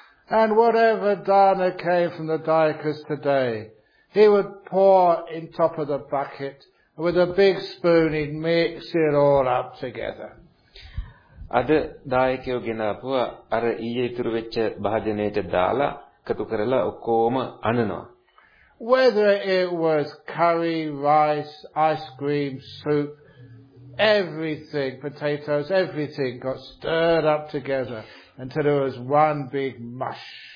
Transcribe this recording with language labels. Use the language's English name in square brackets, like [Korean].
[English] And whatever dana came from the dayakas today, he would pour in top of the bucket, and with a big spoon he'd mix it all up together. [Sinhala] අද දායකයෝ ගෙනාපු අර ඊයේ ඉතුරු වෙච්ච භාජනයට දාලා එකතු කරලා ඔක්කොම අනනවා. [English] Whether it was curry, rice, ice cream, soup, everything, potatoes, everything got stirred up together until it was one big mush.